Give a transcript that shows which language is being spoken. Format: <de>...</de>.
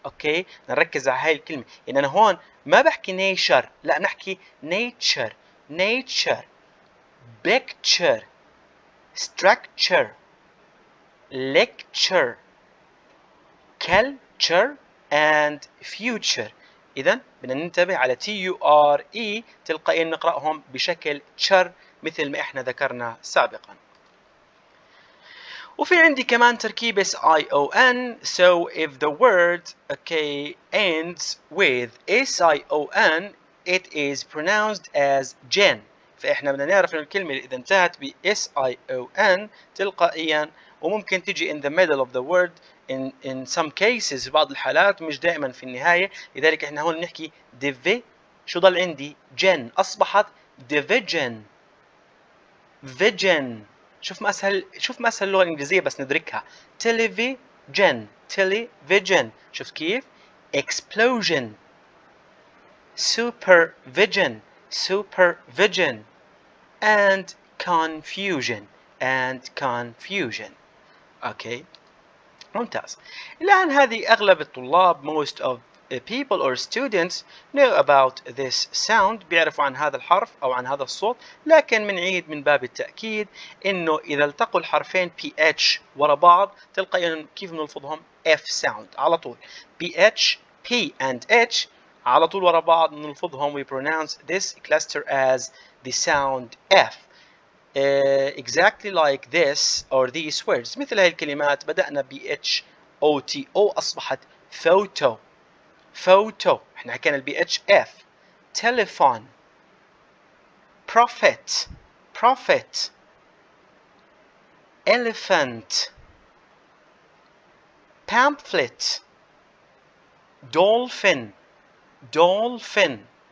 <ar>اوكي نركز على هاي الكلمة، يعني انا هون ما بحكي نيشر، لا نحكي</ar> <en>Nature nature picture structure lecture culture and future.</en> <ar>اذا بدنا ننتبه على تي يو ار اي تلقائيا نقراهم بشكل تشر مثل ما احنا ذكرنا سابقا. وفي عندي كمان تركيبة I O N.</ar> <en>So if the word okay ends with S I O N, it is pronounced as gen.</en> <ar>فإحنا بدنا نعرف إن الكلمة إذا انتهت ب S I O N تلقائيا، وممكن تجي</ar> <en>in the middle of the word in some cases</en> <ar>بعض الحالات مش دائما في النهاية. لذلك إحنا هون نحكي div، شو ضل عندي gen، أصبحت division vision. شوف ما اسهل اللغة الإنجليزية بس ندركها. تيليفيجن تيليفيجن، شوف كيف؟</ar> <en>explosion supervision supervision and confusion</en> <ar>اند كونفيوجن. اوكي ممتاز. الآن هذه أغلب الطلاب</ar> <en>most of people or students know about this sound،</en> <ar>بيعرفوا عن هذا الحرف أو عن هذا الصوت. لكن منعيد من باب التأكيد إنه إذا التقوا الحرفين PH ورا بعض تلقائيا كيف بنلفظهم؟ F sound على طول. PH P and H على طول ورا بعض بنلفظهم.</ar> <en>We pronounce this cluster as the sound F. Exactly like this or these words.</en> <ar>مثل هاي الكلمات بدأنا BH OTO أصبحت photo photo، احنا حكينا البي اتش اف.</ar> <en>Telephone profit profit elephant pamphlet dolphin dolphin.</en>